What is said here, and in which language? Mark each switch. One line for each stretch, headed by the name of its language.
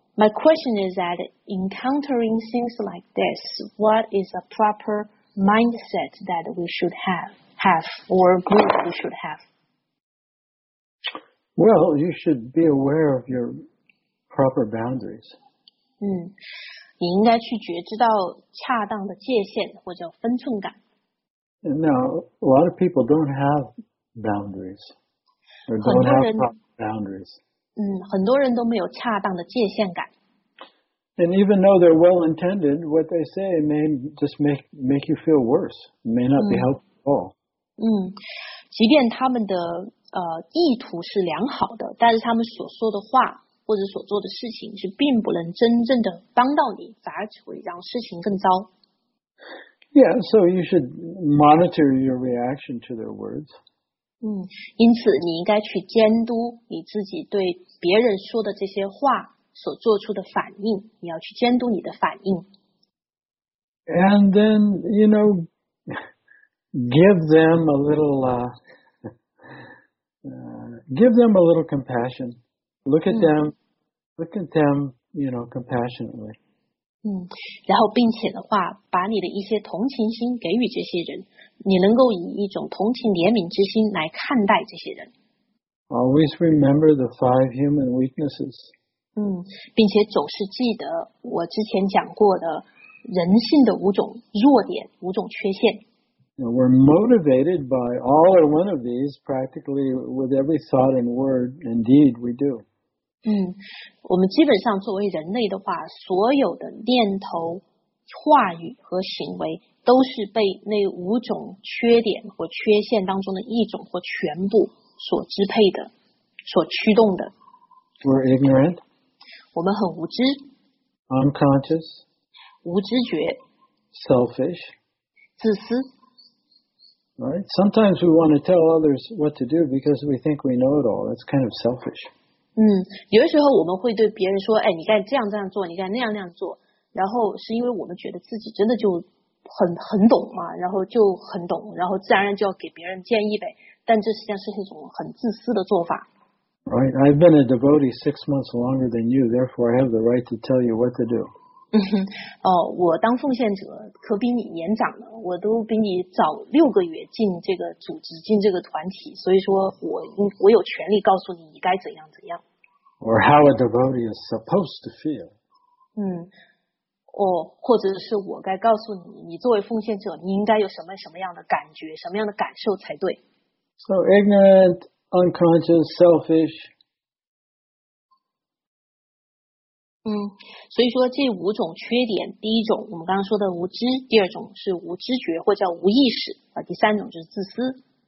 English: My question is that encountering things like this, what is a proper mindset that we should have or group we should have? Well, you should be aware of your proper boundaries.
Chinese: 嗯，你应该去觉知到恰当的界限或者分寸感。
English: Now, a lot of people don't have boundaries. Or don't have proper boundaries.
Chinese: 嗯，很多人都没有恰当的界限感。
English: And even though they're well-intended, what they say may just make you feel worse. May not be helpful at all.
Chinese: 嗯，即便他们的意图是良好的，但是他们所说的话或者所做的事情是并不能真正的帮到你，反而只会让事情更糟。
English: Yeah, so you should monitor your reaction to their words.
Chinese: 嗯，因此你应该去监督你自己对别人说的这些话所做出的反应，你要去监督你的反应。
English: And then, you know, give them a little, give them a little compassion. Look at them, look at them, you know, compassionately.
Chinese: 嗯，然后并且的话，把你的一些同情心给予这些人，你能够以一种同情怜悯之心来看待这些人。
English: Always remember the five human weaknesses.
Chinese: 嗯，并且总是记得我之前讲过的人性的五种弱点，五种缺陷。
English: Now, we're motivated by all or one of these practically with every thought and word and deed we do.
Chinese: 嗯，我们基本上作为人类的话，所有的念头、话语和行为都是被那五种缺点或缺陷当中的一种或全部所支配的、所驱动的。
English: We're ignorant.
Chinese: 我们很无知。
English: Unconscious.
Chinese: 无知觉。
English: Selfish.
Chinese: 自私。
English: Right. Sometimes we want to tell others what to do because we think we know it all. That's kind of selfish.
Chinese: 嗯，有的时候我们会对别人说，哎，你该这样这样做，你该那样那样做。然后是因为我们觉得自己真的就很懂嘛，然后就很懂，然后自然而然就要给别人建议呗。但这实际上是一种很自私的做法。
English: Right. I've been a devotee 6 months longer than you. Therefore, I have the right to tell you what to do.
Chinese: 哦，我当奉献者可比你年长了，我都比你早6个月进这个组织，进这个团体，所以说我有权利告诉你你该怎样怎样。
English: Or how a devotee is supposed to feel.
Chinese: 嗯，哦，或者是我该告诉你，你作为奉献者，你应该有什么什么样的感觉，什么样的感受才对。
English: So ignorant, unconscious, selfish.
Chinese: 嗯，所以说这五种缺点，第一种我们刚刚说的无知，第二种是无知觉或叫无意识，第三种就是自私。